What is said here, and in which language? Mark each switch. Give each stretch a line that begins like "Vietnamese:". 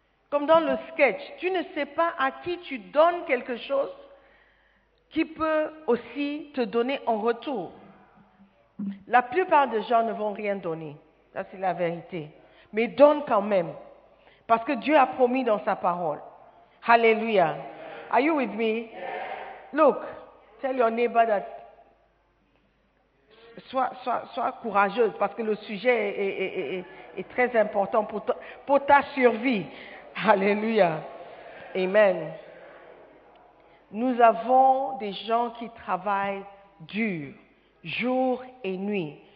French: Comme dans le sketch, tu ne sais pas à qui tu donnes quelque chose qui peut aussi te donner en retour. La plupart des gens ne vont rien donner. Ça, c'est la vérité. Mais donne quand même. Parce que Dieu a promis dans sa parole.
English: Alléluia. Are you with me? Look, tell your neighbor that.
French: Sois courageuse parce que le sujet est très important pour ta survie. Alléluia. Amen. Nous avons des gens qui travaillent dur, jour et nuit.